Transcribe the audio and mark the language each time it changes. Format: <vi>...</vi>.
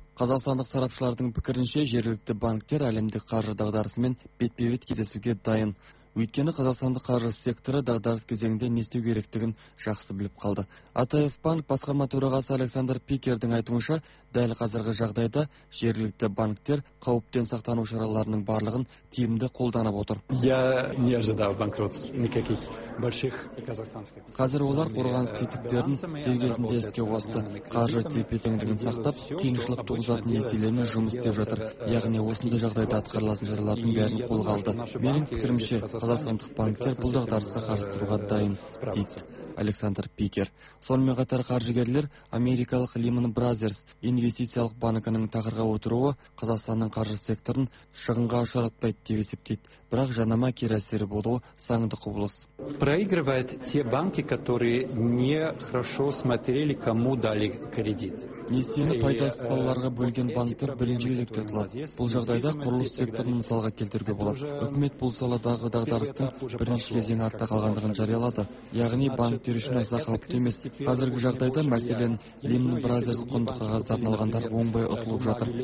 <kk>Қазақстандық сарапшылардың пікірінше, жергілікті банктер әлемдік қаржы дағдарысымен бетпе-бет кездесуге дайын. Өйткені қазақстандық қаржы секторы дағдарыс кезеңінде не істеу керектігін жақсы біліп қалды. Атаев банк басқарма төрағасы Александр Пикердің айтуынша, дәл қазіргі жағдайда жергілікті банктер қауіптен сақтану шараларының барлығын тиімді қолданып отыр.</kk> <ru>Я не ожидал банкротств никаких больших казахстанских.</ru> <kk>Қазір олар қорғаныс тетіктерін дер кезінде іске қосты. Қаржы тепе-теңдігін сақтап, қиыншылық туғызатын несиелермен жұмыс істеп жатыр. Яғни осындай жағдайда атқарылатын шаралардың бәрін қолға алды. Менің пікірімше, қазақстандық банктер бұл дағдарысқа қарастыруға дайын, дейді Александр Пикер. Сонымен қатар қаржыгерлер Америкалық Lehman Brothers инвестициялық банкінің тақырға отыруы Қазақстанның қаржы секторын шығынға ұшыратпайды деп есептейді. Бірақ жанама кері әсері болуы саңды құбылыс.</kk> <ru>Проигрывает те банки, которые не хорошо смотрели, кому дали кредит.</ru> <kk>Несиені пайдасыз салаларға бөлген банктер бірінші кезекте ұтылады. Бұл жағдайда құрылыс секторын мысалға келтіруге болады. Үкімет бұл саладағы дағдарыстың бірінші кезең артта қалғандығын жариялады. Яғни банктер үшін аса қауіпті емес. Қазіргі жағдайда, мәселен, Lehman Brothers құнды қағаздарын алғандар оңбай ұтылып жатыр.</kk>